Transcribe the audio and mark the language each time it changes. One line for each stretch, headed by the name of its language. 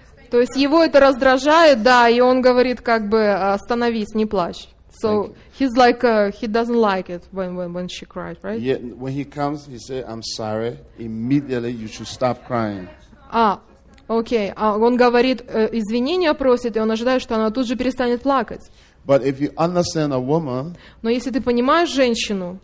Russian: То есть его это раздражает, да, и он говорит, как бы, остановись, не плачь.
English: So he's like, he doesn't like it when she cries, right? Yeah, when he comes, he says, "I'm sorry." Immediately you should stop crying. Okay.
Russian: Он говорит, извинения просит, и он ожидает, что она тут же перестанет плакать.
English: But if you understand a woman,
Russian: но если ты понимаешь женщину,